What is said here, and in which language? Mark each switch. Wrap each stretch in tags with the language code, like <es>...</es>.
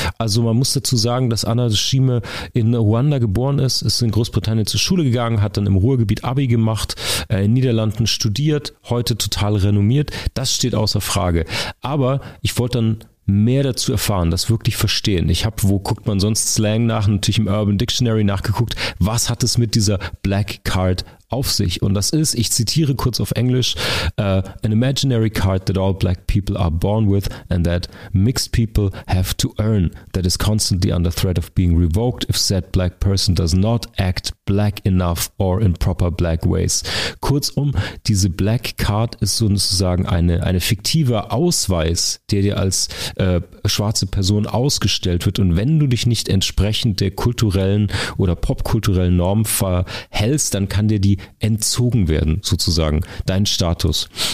<de>Also man muss dazu sagen, dass Anna Schieme in Ruanda geboren ist, ist in Großbritannien zur Schule gegangen, hat dann im Ruhrgebiet Abi gemacht, in Niederlanden studiert, heute total renommiert. Das steht außer Frage. Aber ich wollte dann mehr dazu erfahren, das wirklich verstehen. Ich habe, wo guckt man sonst Slang nach? Natürlich im Urban Dictionary nachgeguckt. Was hat es mit dieser Black Card auf sich? Und das ist, ich zitiere kurz auf Englisch,</de> <en>an imaginary card that all black people are born with and that mixed people have to earn, that is constantly under threat of being revoked if said black person does not act black enough or in proper black ways.</en> <de>Kurzum, diese Black Card ist sozusagen eine fiktive Ausweis, der dir als schwarze Person ausgestellt wird und wenn du dich nicht entsprechend der kulturellen oder popkulturellen Norm verhältst, dann kann dir die entzogen werden, sozusagen, dein Status.</de>